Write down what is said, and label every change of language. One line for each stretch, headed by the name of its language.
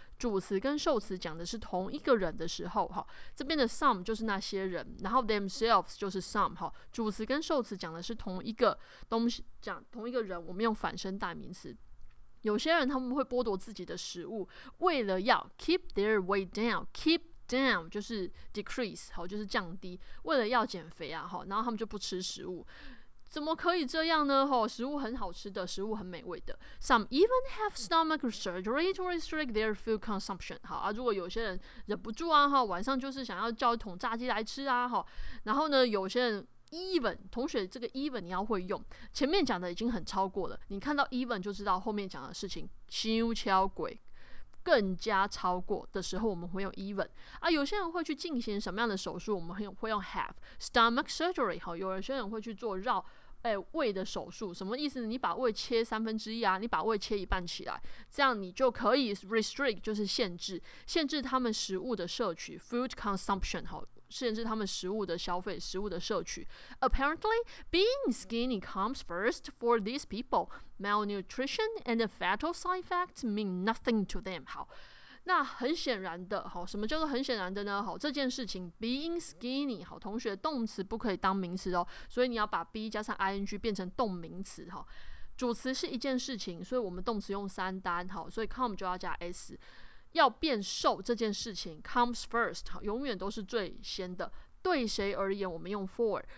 Chinese: 主词跟受词讲的是同一个人的时候，这边的 some 就是那些人，然后 themselves 就是 some， 主词跟受词讲的是同一个东西，讲同一个人，我们用反身代名词。有些人他们会剥夺自己的食物，为了要
English: keep their weight down，
Chinese: keep down 就是 decrease， 就是降低，为了要减肥啊，然后他们就不吃食物。怎么可以这样呢？食物很好吃的，食物很美味的。
English: Some even have stomach surgery to restrict their food consumption。
Chinese: 好啊，如果有些人忍不住啊，晚上就是想要叫一桶炸鸡来吃啊，然后呢，有些人 even， 同学这个 even 你要会用，前面讲的已经很超过了，你看到 even 就知道后面讲的事情心敲鬼。更加超过的时候我们会用 even 啊，有些人会去进行什么样的手术我们会用
English: have stomach surgery。
Chinese: 好，有些人会去做绕胃的手术，什么意思呢？你把胃切三分之一啊，你把胃切一半起来，这样你就可以 restrict 就是限制他们食物的摄取 food consumption。好，限制他们食物的消费，食物的摄取。
English: Apparently being skinny comes first for these people. Malnutrition and the fatal side effects mean nothing to them.
Chinese: 好，那很显然的，好，什么叫做很显然的呢？好，这件事情
English: being skinny，
Chinese: 好，同学动词不可以当名词哦，所以你要把 be 加上 ing 变成动名词。好，主词是一件事情，所以我们动词用三单。好，所以 come 就要加 s。要变瘦这件事情
English: comes first，
Chinese: 永远都是最先的。对谁而言我们用 for，